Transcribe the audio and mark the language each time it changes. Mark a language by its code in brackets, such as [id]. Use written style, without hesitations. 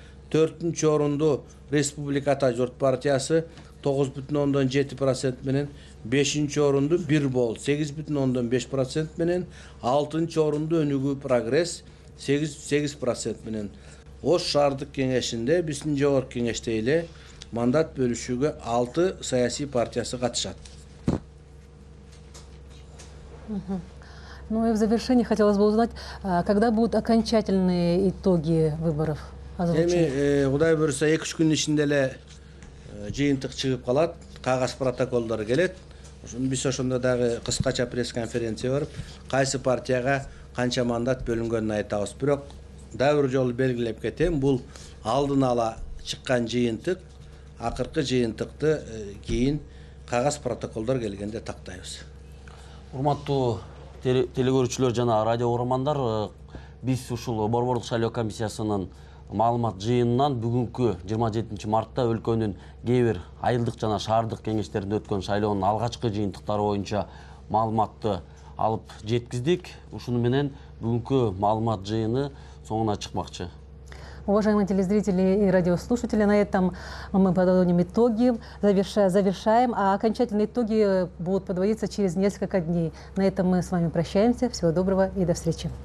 [ky] төртүнчү орунду Республика Атажурт партиясы 9,7% менен, бешинчи орунду Бир Бол 8,5% менен, алтынчы орунду Өнүгүү прогресс 8% менен. Ош шаардык кеңешинде биздин жогорку кеңеште эле мандат бөлүшүүгө 6 саясий партиясы катышат. [ru] Ну и в завершении хотелось бы узнать, когда будут окончательные итоги выборов? [ky] Эми, кудай буюрса 2-3 күн ичинде эле жыйынтык чыгып калат, кагаз протоколдор келет. Биз ошондо дагы кыскача пресс-конференция берип, кайсы партияга канча мандат бөлүнгөнүн айтабыз. Бирок дагы жолу белгилеп кетем, бул алдын ала чыккан жыйынтык, акыркы жыйынтыкты кийин кагаз протоколдор келгенде тактайбыз. Урматтуу телекөрүүчүлөр жана радио урмандар, биз ушул борбордук шайлоо комиссиясынын маалымат жыйынынан бүгүнкү 27 мартта өлкөнүн кээ бир айылдык жана шаардык кеңештеринде өткөн шайлоонун алгачкы жыйынтыктары боюнча маалыматты алып жеткиздик. Ушуну менен бүгүнкү маалымат жыйыны соңуна чыкмакчы. [ru] Уважаемые телезрители и радиослушатели, на этом мы подводим итоги, завершаем, а окончательные итоги будут подводиться через несколько дней. На этом мы с вами прощаемся. Всего доброго и до встречи.